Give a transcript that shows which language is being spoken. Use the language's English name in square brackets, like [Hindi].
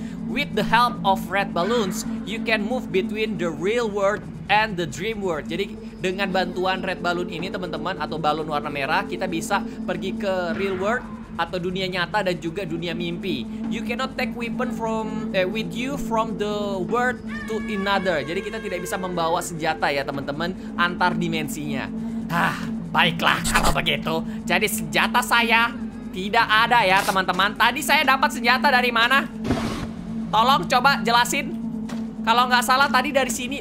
[English] With the help of red balloons, you can move between the real world and the Dream World. [Indonesian] Jadi dengan bantuan Red Balloon ini teman-teman, atau balon warna merah, kita bisa pergi ke real world atau dunia nyata dan juga dunia mimpi. [English] You cannot take weapon from with you from the world to another. [Indonesian] Jadi kita tidak bisa membawa senjata ya teman-teman antar dimensinya. Hah, baiklah kalau begitu. Jadi senjata saya tidak ada ya teman-teman. Tadi saya dapat senjata dari mana? Tolong coba jelasin. Kalau nggak salah tadi dari sini.